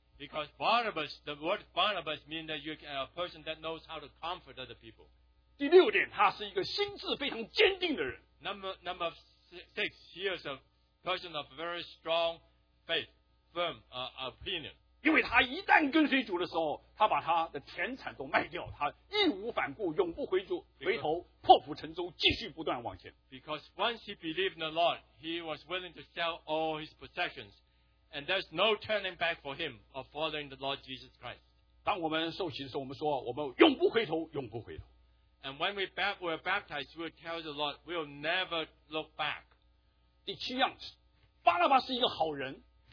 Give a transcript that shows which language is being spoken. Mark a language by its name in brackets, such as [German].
[English] Because Barnabas, the word Barnabas means that you're a person that knows how to comfort other people. [Chinese] 第六点, 他是一个心智非常坚定的人。 [English] Number six, he is a person of very strong faith, firm opinion. [Chinese] 因为他一旦跟随主的时候，他把他的田产都卖掉，他义无反顾，永不回头，回头破釜沉舟，继续不断往前。 [English] Because once he believed in the Lord, he was willing to sell all his possessions. And there's no turning back for him of following the Lord Jesus Christ. [Chinese] 当我们受洗的时候，我们说我们永不回头，永不回头。 [English] And when we're baptized, we'll tell the Lord, we'll never look back. [Chinese] 第七样, 巴拿巴是一个好人。